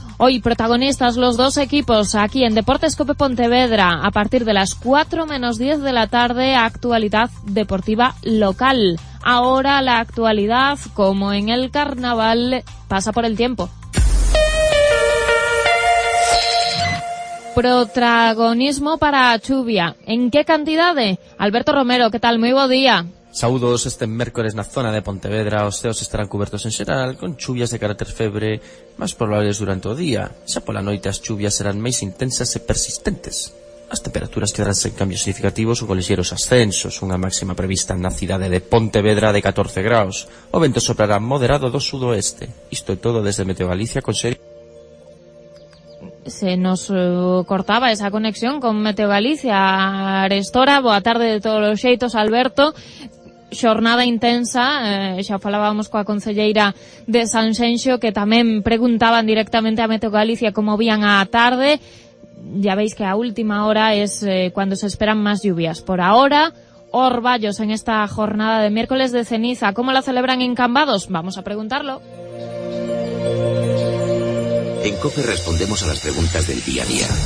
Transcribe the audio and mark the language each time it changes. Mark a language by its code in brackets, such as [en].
[es] Hoy protagonistas los dos equipos aquí en Deportes COPE Pontevedra a partir de las 4:10 de la tarde, actualidad deportiva local. Ahora la actualidad, como en el carnaval, pasa por el tiempo. Protagonismo para Chuvia. ¿En qué cantidades? Alberto Romero, ¿qué tal? Muy buen día. [gl] Saudos, este miércoles na zona de Pontevedra os ceos estarán cubertos en xeral con chuvias de carácter febre máis probables durante o día. Xa pola noite as chuvias serán máis intensas e persistentes. As temperaturas quedarán sen cambios significativos ou con lixeiros ascensos, unha máxima prevista na cidade de Pontevedra de 14 graus. O vento soprará moderado do sudoeste. Isto é todo desde Meteo Galicia con Xeri. [es] Se nos cortaba esa conexión con Meteo Galicia, Arestora. [gl] Boa tarde de todos os xeitos, Alberto. Xornada intensa, xa falábamos coa concelleira de Sanxenxo, que tamén preguntaban directamente a Meteo Galicia como vían a tarde. [es] Ya veis que a última hora es cuando se esperan más lluvias. Por ahora, orballos en esta jornada de miércoles de ceniza. ¿Cómo la celebran en Cambados? Vamos a preguntarlo. En COPE respondemos a las preguntas del día a día.